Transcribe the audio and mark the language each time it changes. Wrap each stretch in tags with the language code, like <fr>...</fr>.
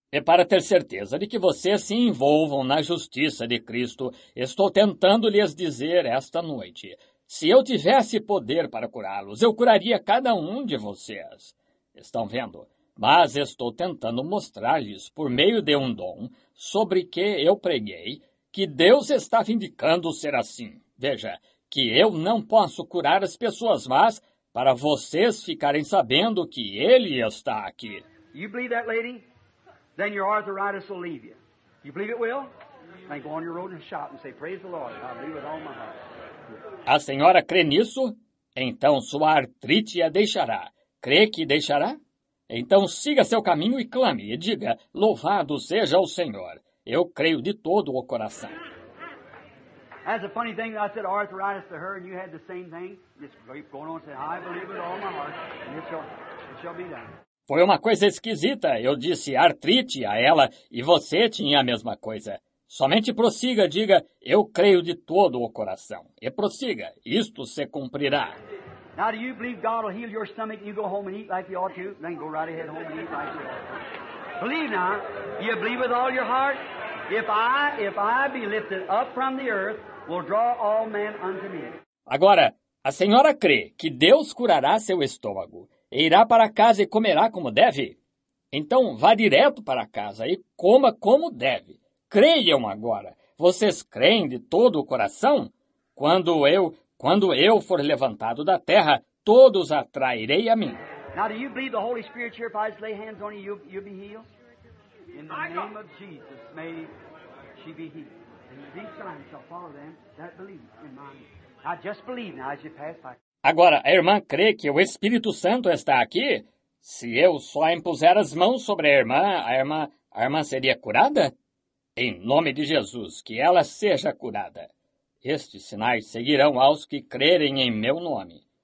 <pt>E para ter certeza de que vocês se envolvam na justiça de Cristo, estou tentando lhes dizer esta noite, se eu tivesse poder para curá-los, eu curaria cada um de vocês. Estão vendo? Mas estou tentando mostrar-lhes, por meio de um dom, sobre que eu preguei, que Deus está vindicando ser assim. Veja, que eu não posso curar as pessoas, mas para vocês ficarem sabendo que Ele está aqui.</pt> <en>You believe that, lady? Then your arthritis will leave you. You believe it will? Then go on your road and shout and say, praise the Lord. I believe with all my heart.</en> <pt>A senhora crê nisso? Então sua artrite a deixará. Crê que deixará? Então siga seu caminho e clame e diga, louvado seja o Senhor. Eu creio de todo o coração.</pt> <en>That's a funny thing that I said arthritis to her and you had the same thing. Just keep going on and say, I believe with all my heart. And it shall be done.</en> <pt>Foi uma coisa esquisita. Eu disse artrite a ela e você tinha a mesma coisa. Somente prossiga, diga, eu creio de todo o coração. E prossiga, isto se cumprirá.</pt> <en>Now, do you believe God will heal your stomach and you go home and eat like you ought to? Then go right ahead home and eat like you ought to. Believe now. Do you believe with all your heart? If I be lifted up from the earth, will draw all men unto me.</en> <pt>Agora, a senhora crê que Deus curará seu estômago. E irá para casa e comerá como deve? Então vá direto para casa e coma como deve. Creiam agora. Vocês creem de todo o coração? Quando eu for levantado da terra, todos atrairei a mim.</pt> <en>Now, do you believe the Holy Spirit here? If I lay hands on you, you'll be healed? In the name of Jesus, may she be healed. And these signs shall follow them that believe in my name. I just believe now as you pass by.</en> <pt>Agora, a irmã crê que o Espírito Santo está aqui? Se eu só impuser as mãos sobre a irmã seria curada? Em nome de Jesus, que ela seja curada. Estes sinais seguirão aos que crerem em meu nome.</pt>